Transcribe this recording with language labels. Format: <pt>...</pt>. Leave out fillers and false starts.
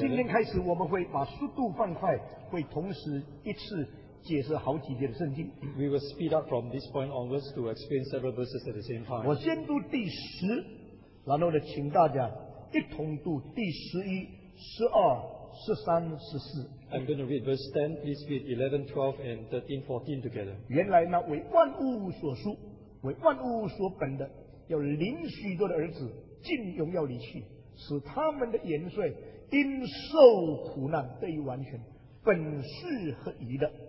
<zh>今天开始，我们会把速度放快，会同时一次解释好几节的圣经。</zh> <en>We will speed up from this point onwards to explain several verses at the same time.</en> <zh>我先读第十，然后呢，请大家一同读第十一、十二、十三、十四。</zh> <en>I'm going to read verse 10. Please read 11, 12, and 13, 14 together.</en> <zh>原来那为万物所书、为万物所本的，有灵许多的儿子进荣耀里去，使他们的元帅因受苦难得以完全，本是合宜的。</zh>